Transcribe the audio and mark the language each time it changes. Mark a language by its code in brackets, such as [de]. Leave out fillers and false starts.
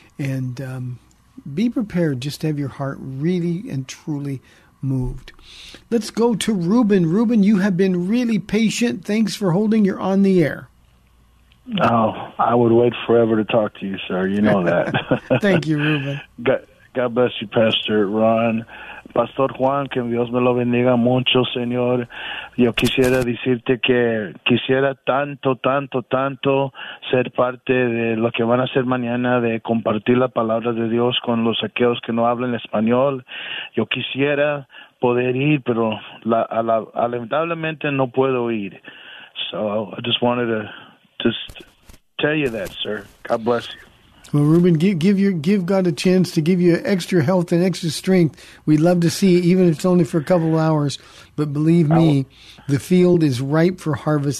[en] And be prepared just to have your heart really and truly moved. Let's go to Reuben. Reuben, you have been really patient. Thanks for holding. You're on the air. Oh, I would wait forever to talk to you, sir. You know that. Thank you, Reuben. God bless you, Pastor Ron. [es] Pastor Juan, que Dios me lo bendiga mucho, Señor. Yo quisiera decirte que quisiera tanto, tanto, tanto ser parte de lo que van a hacer mañana de compartir la palabra de Dios con los aquellos que no hablan español. Yo quisiera poder ir, pero lamentablemente no puedo ir. [en] So I just wanted to just tell you that, sir. God bless you. Well, Reuben, give God a chance to give you extra health and extra strength. We'd love to see you, even if it's only for a couple of hours. But believe me, the field is ripe for harvest.